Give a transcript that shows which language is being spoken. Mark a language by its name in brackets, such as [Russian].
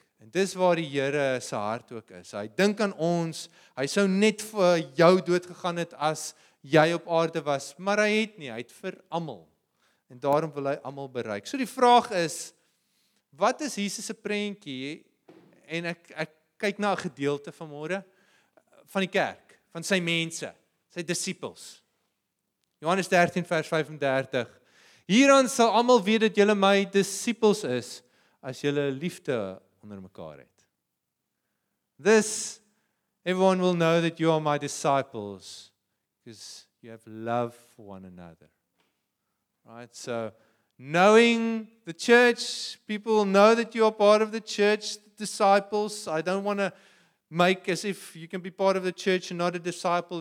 [Afrikaans] En dis waar die Here sy hart ook is. Hy dink aan ons, hy sou net vir jou dood gegaan het as jy op aarde was, maar hy het nie, hy het vir almal. En daarom wil hy almal bereik. So die vraag is, wat is Jesus se prentjie? En ek kyk na 'n gedeelte vanmôre van die kerk, van sy mense, sy disippels. Johannes 13 vers 35. Hieraan sal almal weet dat julle my disippels is as julle liefde onder mekaar het. [English] This everyone will know that you are my disciples because you have love for one another. Right? So knowing the church, people know that you are part of the church. Disciples, I don't want to make as if you can be part of the church and not a disciple.